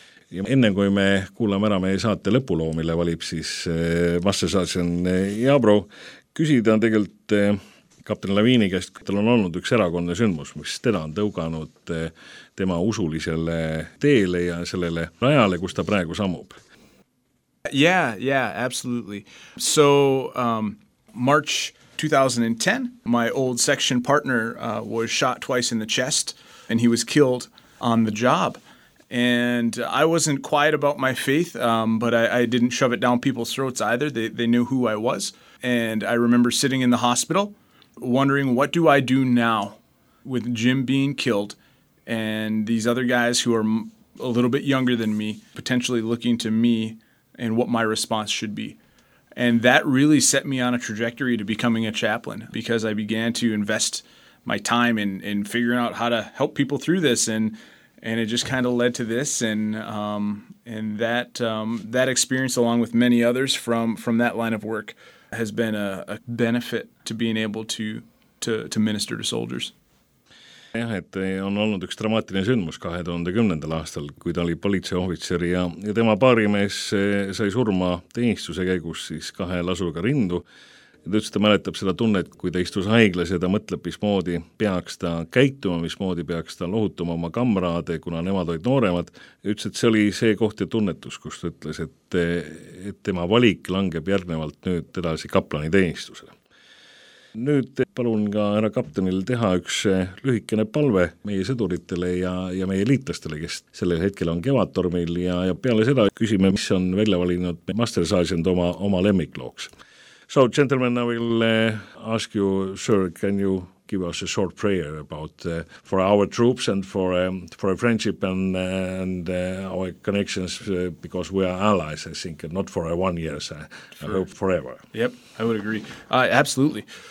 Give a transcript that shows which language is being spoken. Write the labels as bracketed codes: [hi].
[et] Ja enne kui me kuulame ära meie saate lõpuloo, mille valib siis vastasaatsen Jaabro, küsida on tegelikult kapten Laviini käest, kui tal on olnud üks erakondne sündmus, mis teda on tõuganud tema usulisele teele ja sellele rajale, kus ta praegu samub. [en] Yeah, yeah, absolutely. So March 2010, my old section partner was shot twice in the chest, and he was killed on the job. And I wasn't quiet about my faith, but I didn't shove it down people's throats either. They knew who I was. And I remember sitting in the hospital wondering, what do I do now with Jim being killed and these other guys who are a little bit younger than me, potentially looking to me and what my response should be. And that really set me on a trajectory to becoming a chaplain, because I began to invest my time in figuring out how to help people through this. And it just kind of led to this. And that experience, along with many others from that line of work, has been a benefit to being able to minister to soldiers. [et] Jah, et on olnud üks dramaatiline sündmus 2010. aastal, kui ta oli politseiohvitseri ja tema paarimees sai surma teenistuse käigus siis kahe lasuga rindu. ta ütles, et ta mäletab seda tunnet, kui ta istus haiglas ja ta mõtleb, mis moodi peaks ta käituma, mis moodi peaks ta lohutuma oma kamraade, kuna nemad olid nooremad. Ütles, et see oli see koht ja tunnetus, kus ta ütles, et tema valik langeb järgnevalt nüüd edasi kaplani teenistusele. Nüüd palun ka ära kaptenil teha üks lühikene palve meie sõduritele ja meie liitlastele, kes sellel hetkel on kevatormil ja peale seda küsime, mis on välja valinud Master Sergeant oma lemmiklooks. [en] So, gentlemen, I will ask you, sir, can you give us a short prayer about for our troops and for a friendship and our connections because we are allies, I think, and not for 1 year, sure. I hope forever. Yep, I would agree. Absolutely.